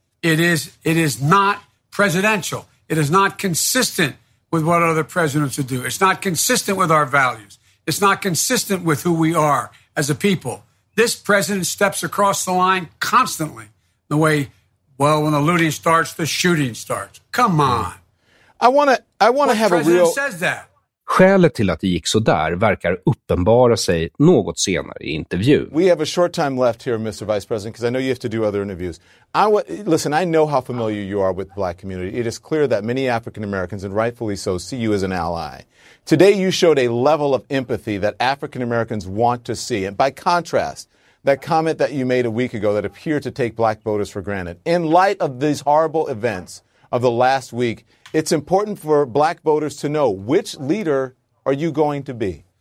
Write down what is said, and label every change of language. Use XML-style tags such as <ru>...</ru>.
<en>It is not presidential. It is not consistent with what other presidents would do. It's not consistent with our values. It's not consistent with who we are as a people. This president steps across the line constantly the way, well, when the looting starts, the shooting starts. Come on. I want to have a real... president says that?</en> <sv>Skälet till att det gick så där verkar uppenbara sig något senare i intervju.</sv> <en>We have a short time left here, Mr. Vice President, because I know you have to do other interviews. Listen, I know how familiar you are with the black community. It is clear that many African Americans, and rightfully so, see you as an ally. Today you showed a level of empathy that African Americans want to see. And by contrast, that comment that you made a week ago that appeared to take black voters for granted, in light of these horrible events of the last week, it's important for black voters to know, which leader are you going to be?</en>